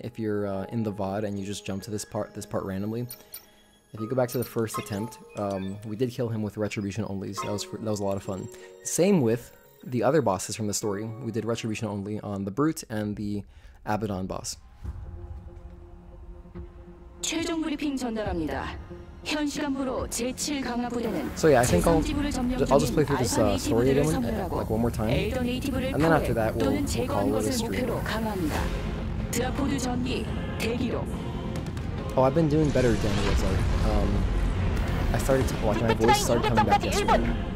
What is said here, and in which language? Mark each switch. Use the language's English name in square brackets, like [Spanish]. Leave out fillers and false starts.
[English] If you're in the VOD and you just jump to this part randomly, if you go back to the first attempt, we did kill him with retribution only. So that was a lot of fun. Same with the other bosses from the story. We did retribution only on the Brute and the Abaddon boss. [Korean] 최종 브리핑 전달합니다. 현 시간부로 제7 강화 부대는 [English] So yeah, I think I'll just play through this story again, like one more time. And then after that, we'll call it a stream. [Korean] 드라포드 전기 대기로. [English] Oh, I've been doing better than it was like. I started to watch my voice start coming back yesterday.